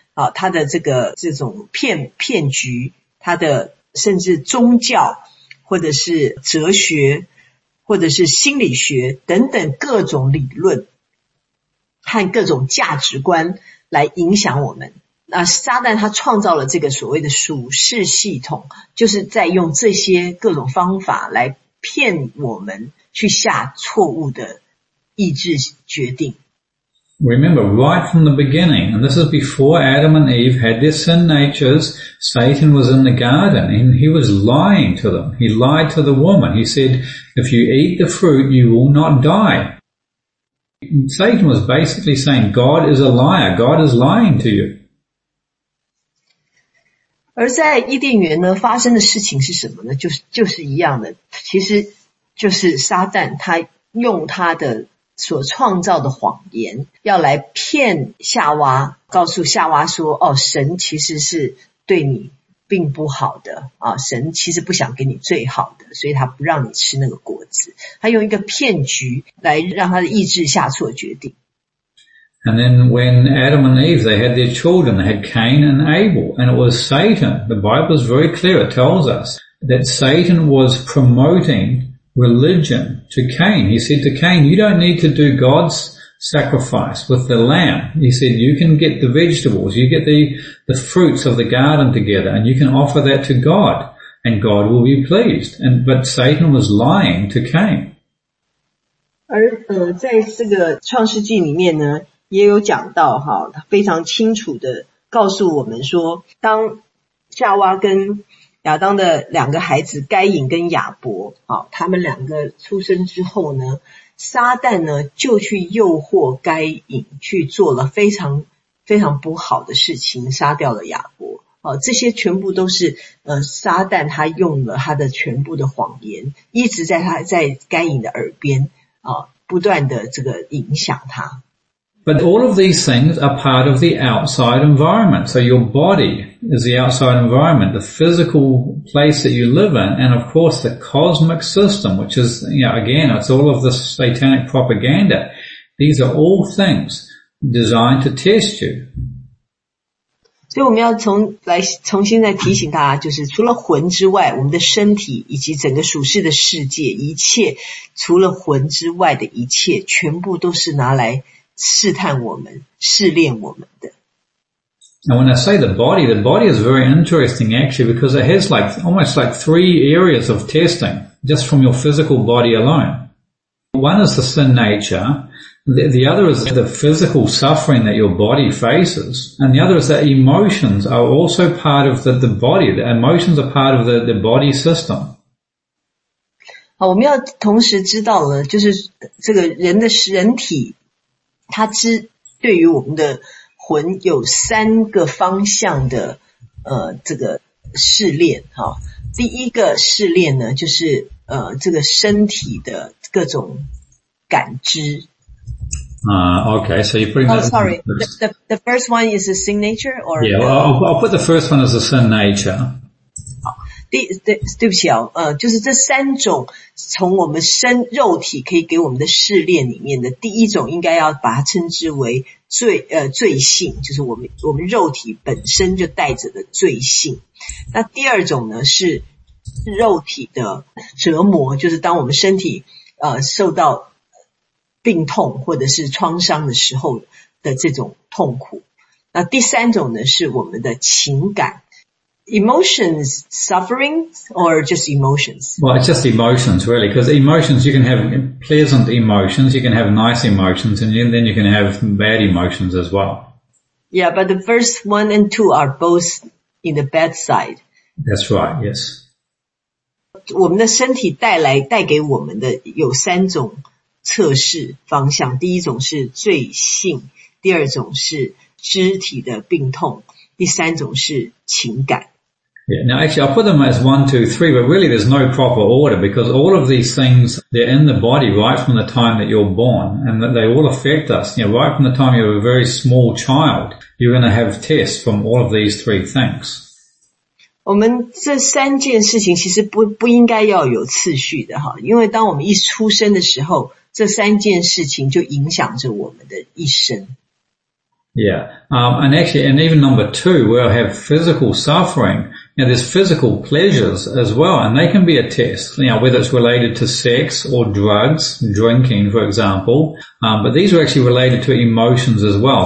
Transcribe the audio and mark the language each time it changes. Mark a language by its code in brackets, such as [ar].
[zh] 啊，他的这种骗局，他的甚至宗教，或者是哲学，或者是心理学等等各种理论和各种价值观来影响我们。那撒旦他创造了这个所谓的属世系统，就是在用这些各种方法来骗我们去下错误的意志决定。 [en] Remember, right from the beginning, and this is before Adam and Eve had their sin natures, Satan was in the garden and he was lying to them. He lied to the woman. He said, if you eat the fruit, you will not die. Satan was basically saying, God is a liar. God is lying to you. [zh] 而在伊甸园呢，发生的事情是什么呢？就是一样的，其实就是撒旦他用他的所创造的谎言要来骗夏娃，告诉夏娃说，哦，神其实是对你并不好的啊，神其实不想给你最好的，所以他不让你吃那个果子，他用一个骗局来让他的意志下错决定。 [en] And then when Adam and Eve, they had their children, they had Cain and Abel, and it was Satan. The Bible is very clear, it tells us that Satan was promotingreligion to Cain. He said to Cain, you don't need to do God's sacrifice with the lamb. He said, you can get the vegetables, you get the fruits of the garden together, and you can offer that to God, and God will be pleased. But Satan was lying to Cain. [zh] 而在这个创世纪里面呢，也有讲到哈，他非常清楚的告诉我们说，当夏娃跟亚当的两个孩子该隐跟亚伯，好，他们两个出生之后呢，撒旦呢就去诱惑该隐，去做了非常非常不好的事情，杀掉了亚伯。好，这些全部都是撒旦他用了他的全部的谎言，一直在该隐的耳边不断的这个影响他。 [en] But all of these things are part of the outside environment. So your body is the outside environment, the physical place that you live in, and of course the cosmic system, which is, you know, again, it's all of this satanic propaganda. These are all things designed to test you. [zh] 所以我们要重新再提醒他，就是除了魂之外，我们的身体以及整个属世的世界，一切除了魂之外的一切，全部都是拿来试探我们、试炼我们的。 [en] Now when I say the body is very interesting actually because it has like almost like three areas of testing just from your physical body alone. One is the sin nature. The other is the physical suffering that your body faces. And the other is that emotions are also part of the body. The emotions are part of the body system. [zh] 好，我们要同时知道了，就是这个人的人体，它之对于我们的魂有三个方向的这个试炼。好，第一个试炼呢，就是这个身体的各种感知。 [en] Okay, so you're putting that. Oh, sorry. The first one is the sin nature, or? Yeah, I'll put the first one as the sin nature. [zh] 对不起啊，就是这三种从我们身肉体可以给我们的试炼里面的第一种，应该要把它称之为罪性，就是我们肉体本身就带着的罪性。那第二种呢是肉体的折磨，就是当我们身体受到病痛或者是创伤的时候的这种痛苦。那第三种呢是我们的情感。 [en] Emotions, suffering, or just emotions? Well, it's just emotions really, because emotions, you can have pleasant emotions, you can have nice emotions, and then you can have bad emotions as well. Yeah, but the first one and two are both in the bad side. That's right, yes. [zh] 我们的身体带给我们的有三种测试方向，第一种是罪性，第二种是肢体的病痛，第三种是情感。 [en] Yeah, now actually I'll put them as 1, 2, 3, but really there's no proper order because all of these things, they're in the body right from the time that you're born and that they all affect us. You know, right from the time you're a very small child, you're going to have tests from all of these three things. [zh] 我们这三件事情其实不应该要有次序的哈，因为当我们一出生的时候，这三件事情就影响着我们的一生。 [en] Yeah, and actually, and even number two, we'll have physical suffering. Now, there's physical pleasures as well, and they can be a test. You know, whether it's related to sex or drugs, drinking, for example. But these are actually related to emotions as well.